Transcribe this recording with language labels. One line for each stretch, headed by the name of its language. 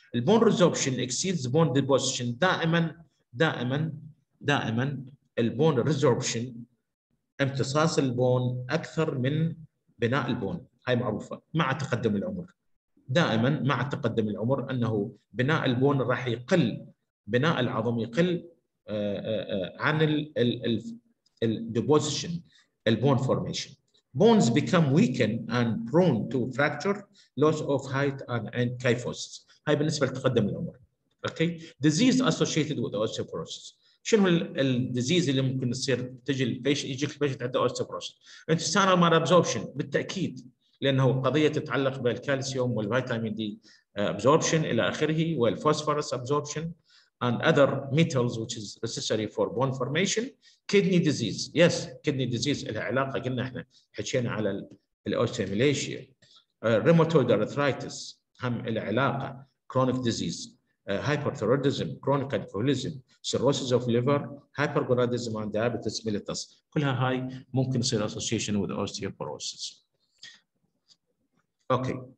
Arabic: البون ريزوربشن اكسيدز بون ديبوزيشن، دائما دائما دائما البون ريزوربشن امتصاص البون اكثر من بناء البون، هاي معروفه مع تقدم العمر، دائما مع تقدم العمر انه بناء البون راح يقل، بناء العظم يقل عن ال deposition البون formation.
English: bones become weakened and prone to fracture, loss of height and kyphosis.
Arabic: هاي بالنسبة لتقدم العمر.
English: okay. disease associated with osteoporosis.
Arabic: شنو ال disease اللي ممكن تصير تجي البيشن يجيك البيشن عنده osteoporosis. intestinal malabsorption بالتأكيد لأنه قضية تتعلق بالكالسيوم والفيتامين دي absorption إلى آخره والفوسفورس absorption.
English: And other metals which is necessary for bone formation. Kidney disease. Yes, kidney disease.
Arabic: إلها علاقة قلنا إحنا حكينا على الأوستيوميليشيا.
English: Rheumatoid arthritis.
Arabic: هم إلها علاقة.
English: Chronic disease. Hyperthyroidism. Chronic alcoholism. Cirrhosis of liver. Hyperthyroidism and diabetes mellitus.
Arabic: كلها هاي ممكن تصير
English: association with osteoporosis. Okay.